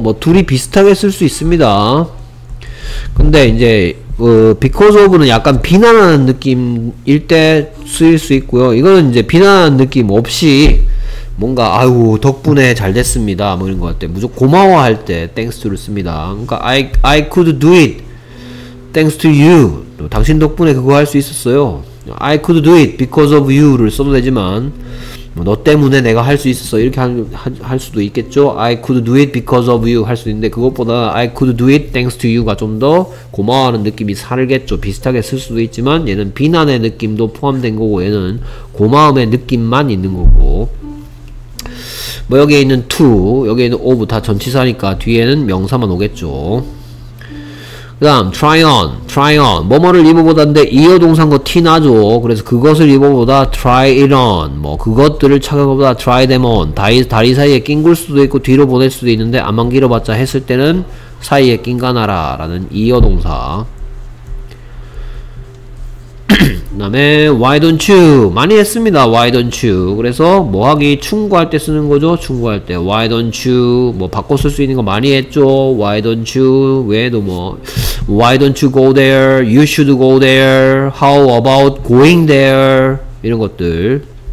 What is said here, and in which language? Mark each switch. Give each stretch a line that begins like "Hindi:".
Korean: 뭐 둘이 비슷하게 쓸 수 있습니다. 근데 이제 because of는 약간 비난하는 느낌일 때 쓰일 수 있고요. 이거는 이제 비난하는 느낌 없이 뭔가 아유 덕분에 잘 됐습니다 뭐 이런 것 같아. 무조건 고마워할 때 thanks to를 씁니다. 그러니까
English: I could do it thanks to you.
Korean: 또 당신 덕분에 그거 할 수 있었어요.
English: I could do it because of you
Korean: 를 써도 되지만 뭐 너 때문에 내가 할 수 있었어 이렇게 할 수도 있겠죠.
English: I could do it because of you
Korean: 할 수 있는데 그것보다
English: I could do it thanks to you
Korean: 가 좀 더 고마워하는 느낌이 살겠죠. 비슷하게 쓸 수도 있지만 얘는 비난의 느낌도 포함된 거고 얘는 고마움의 느낌만 있는 거고 뭐 여기에 있는 to, 여기에 있는 of 다 전치사니까 뒤에는 명사만 오겠죠. 그 다음 try on, try on 뭐뭐를 입어보다인데 이어 동사인거 티나죠. 그래서 그것을 입어보다
English: try it on,
Korean: 뭐 그것들을 착용하보다
English: try them on.
Korean: 다리 사이에 낑굴 수도 있고 뒤로 보낼 수도 있는데 안만 길어봤자 했을 때는 사이에 낑가나라 라는 이어 동사. 그 다음에 why don't you 많이 했습니다. why don't you. 그래서 뭐하기 충고할 때 쓰는 거죠. 충고할 때 why don't you 뭐 바꿔 쓸 수 있는 거 많이 했죠.
English: why don't you
Korean: 외에도 뭐
English: why don't you go there, you should go there, how about going there
Korean: 이런 것들.